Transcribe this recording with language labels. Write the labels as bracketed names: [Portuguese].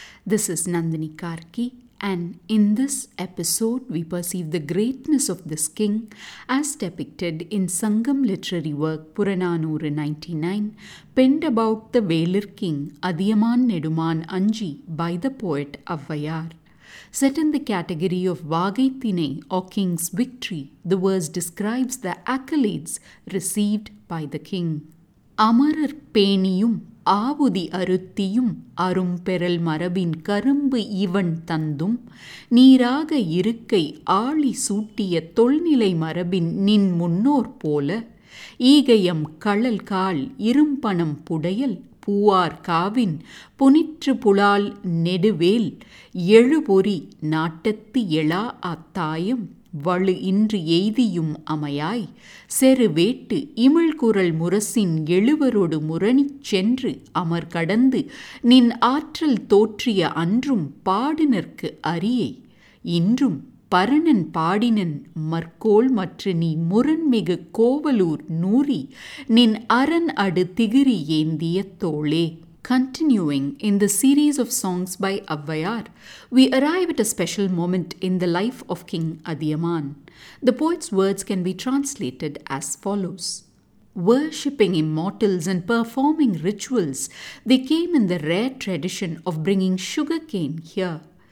[English] This is Nandini Karki, and in this episode we perceive the greatness of this king as depicted in Sangam literary work Purananooru 99, penned about the Velir king Adiyaman Neduman Anji by the poet Avvayar. Set in the category of Vagaithinai or King's Victory, the verse describes the accolades received by the king. [Tamil] அமரர் பேணியும் ஆவுதி அருத்தியும் அரும்பெறல் மரபின் கரும்பு இவன் தந்தும் நீராக இருக்கை ஆளி சூட்டிய தொல்நிலை மரபின் நின் முன்னோர் போல ஈகயம் களல் கால் இரும்பணம் புடையல் பூவார் காவின் புனிற்று புலால் நெடுவேல் எழுபொறி நாட்டத்து எழா அத்தாயம் வழு இன்று எய்தியும் அமையாய் செருவேட்டு இமிழ்குரல் முரசின் எழுவரோடு முரணிச் சென்று அமர் கடந்து நின் ஆற்றல் தோற்றிய அன்றும் பாடினர்க்கு அரியை இன்றும் பரணன் பாடினன் மற்கோள் மற்ற நீ முரண்மிகு கோவலூர் நூறி நின் அரண் அடு திகிரி ஏந்திய தோளே. [English] Continuing in the series of songs by Avvayar, we arrive at a special moment in the life of King Adiyaman. The poet's words can be translated as follows. Worshipping immortals and performing rituals, they came in the rare tradition of bringing sugarcane here.